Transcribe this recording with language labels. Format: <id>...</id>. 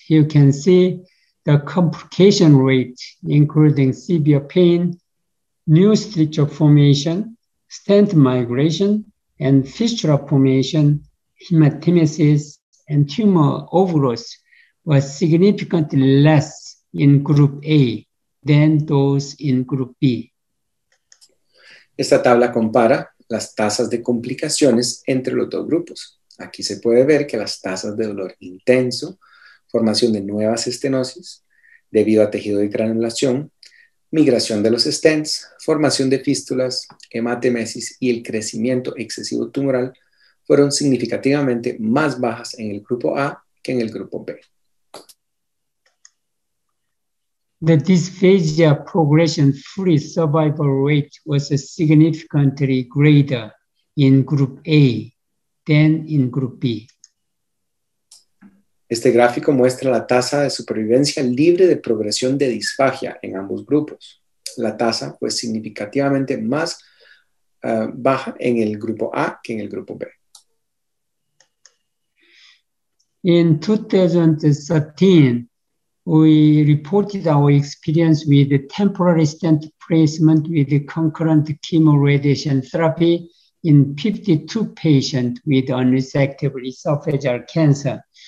<en>You can see the complication rate, including severe pain, new stricture formation, stent migration, and fistula formation, hematemesis, and tumor overgrowth was significantly less in group A than those in group B.</en> <es>Esta tabla compara las tasas de complicaciones entre los dos grupos. Aquí se puede ver que las tasas de dolor intenso, formación de nuevas estenosis debido a tejido de granulación, migración de los stents, formación de fístulas, hematemesis y el crecimiento excesivo tumoral fueron significativamente más bajas en el grupo A que en el grupo B.</es> <en>The dysphagia progression-free survival rate was significantly greater in group A than in group B.</en> <es>Este gráfico muestra la tasa de supervivencia libre de progresión de disfagia en ambos grupos. La tasa fue significativamente más baja en el grupo A que en el grupo B.</es> <en>In 2013, we reported our experience with the temporary stent placement with the concurrent chemo radiation therapy in 52 patients with unresectable esophageal cancer.</en>